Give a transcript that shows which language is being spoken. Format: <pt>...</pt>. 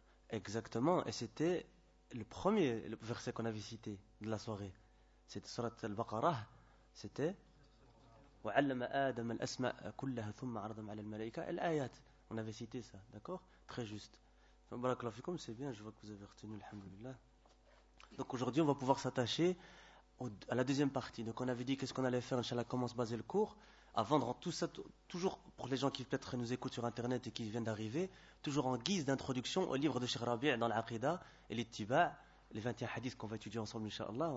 <fr>Exactement. Et c'était le premier verset qu'on avait cité de la soirée. C'était surat al-Baqarah.</fr> <ar>C'était وَعَلَّمَ آدَمَ الْأَسْمَاءَ كُلَّهَ ثُمَّ عَرَضَمْ عَلَى الْمَلَائِكَةِ الْآيَاتِ.</ar> <fr>On avait cité ça, d'accord? Très juste. Barakallahu fikoum, c'est bien, je vois que vous avez retenu, alhamdoulilah. Donc aujourd'hui, on va pouvoir s'attacher à la deuxième partie. Donc on avait dit qu'est-ce qu'on allait faire, Inch'Allah, comment se baser le cours. Avant de rendre tout ça, toujours pour les gens qui peut-être nous écoutent sur internet et qui viennent d'arriver, toujours en guise d'introduction au livre de Cheikh Rabi' dans l'Aqida et l'Ittiba, les 21 hadiths qu'on va étudier ensemble, Inch'Allah.</fr>